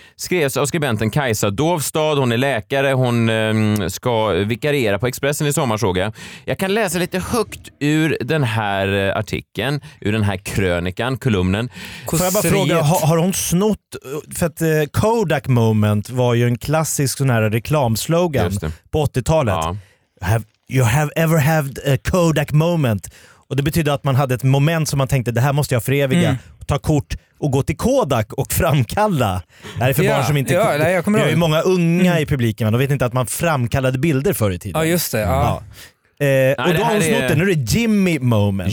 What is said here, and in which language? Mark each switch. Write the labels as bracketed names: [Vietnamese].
[Swedish] Skrevs av skribenten Kajsa Dovstad. Hon är läkare. Hon ska vikariera på Expressen i sommar, såg jag. Jag kan läsa lite högt ur den här artikeln, ur den här krönikan, kolumnen. Får jag bara fråga, har hon snott? För att Kodak moment var ju en klassisk sån här reklamslogan på 80-talet. Ja. [English] You have ever had a Kodak moment. [Swedish] Och det betyder att man hade ett moment som man tänkte, det här måste jag föreviga. Mm. Ta kort och gå till Kodak och framkalla. Det här är för barn som inte... Jag kommer ihåg. Är ju många unga i publiken, men de vet inte att man framkallade bilder förr i tiden. Ja, just det. Ja. Nej, och då har hon snott den, nu är det Jimmy moment.